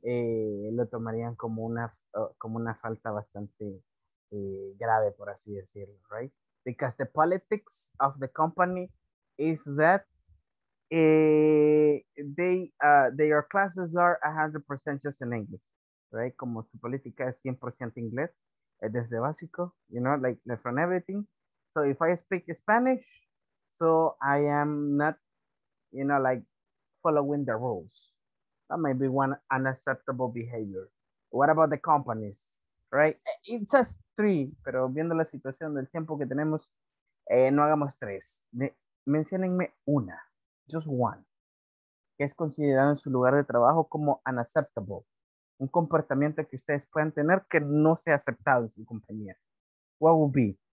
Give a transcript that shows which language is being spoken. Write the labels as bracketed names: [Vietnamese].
[Spanish] Lo tomarían como una falta bastante grave, por así decirlo, right? [English] Because the politics of the company is that their classes are 100% just in English, right? [Spanish] Como su política es 100% inglés, desde básico, [English] you know, like from everything. So if I speak Spanish, so I am not, you know, like following the rules. That may be one unacceptable behavior. What about the companies, right? It says three, [Spanish] pero viendo la situación del tiempo que tenemos, no hagamos tres. Menciónenme una, [English] just one, [Spanish] que es considerado en su lugar de trabajo como unacceptable. Un comportamiento que ustedes puedan tener que no sea aceptado en su compañía. [English] What would be?